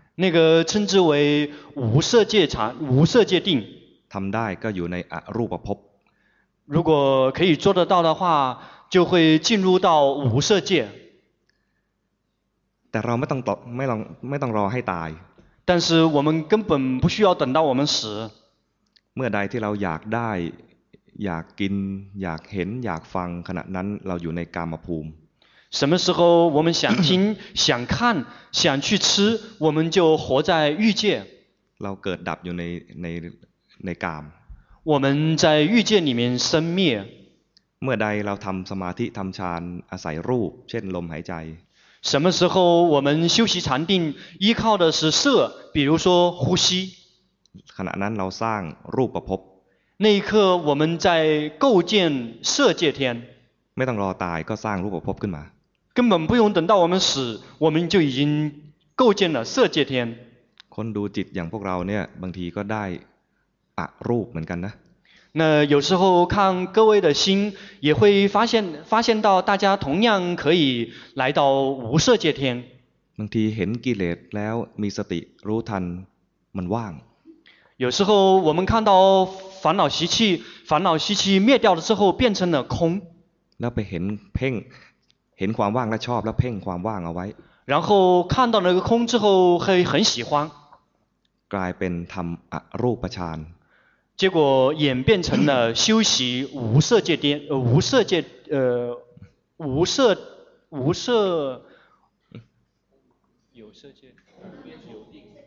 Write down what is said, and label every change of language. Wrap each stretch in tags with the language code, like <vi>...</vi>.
<zh>那个称之为无色界禅无色界定</zh> <th>ทำได้ก็อยู่ในอรูปภพ</th> <zh>如果可以做得到的话就会进入到无色界</zh> <th>แต่เราไม่ต้องรอให้ตาย</th> <zh>แต่是我们根本不需要等到我们死</zh> <th>เมื่อใดที่เราอยากได้อยากกินอยากเห็นอยากฟังขณะนั้นเราอยู่ในกามภูมิ</th> <zh>什么时候我们想听想看想去吃我们就活在欲界</zh> <th>เราเกิดดับอยู่ในกาม</th> <zh>我们在欲界里面生灭</zh> <th>เมื่อใดเราทำสมาธิทำฌานอาศัยรูปเช่นลมหายใจ</th> <zh>什么时候我们修习禅定依靠的是色比如说呼吸</zh> <th>ขณะนั้นเราสร้างรูปภพ</th> <zh>那一刻我们在构建色界天</zh> <th>ไม่ต้องรอตายก็สร้างรูปภพขึ้นมา</th> <zh>根本不用等到我们死我们就已经构建了色界天</zh> <th>คนดูจิตอย่างพวกเราเนี่ยบางทีก็ได้อรูปเหมือนกันนะ</th> <zh>那有时候看各位的心也会发现到大家同样可以来到无色界天</zh> <th>บางทีเห็นกิเลสแล้วมีสติรู้ทันมันว่าง</th> <zh>有时候我们看到烦恼习气，烦恼习气灭掉了之后变成了空。</zh> <th>แล้วไปเห็นเพ่งเห็นความว่างและชอบแล้วเพ่งความว่างเอาไว้。</th> <zh>然后看到那个空之后会很喜欢。</zh> <th>กลายเป็นทำรูปฌาน。</th> <zh>结果演变成了修习无色界颠无色界无色无色有色界。</zh>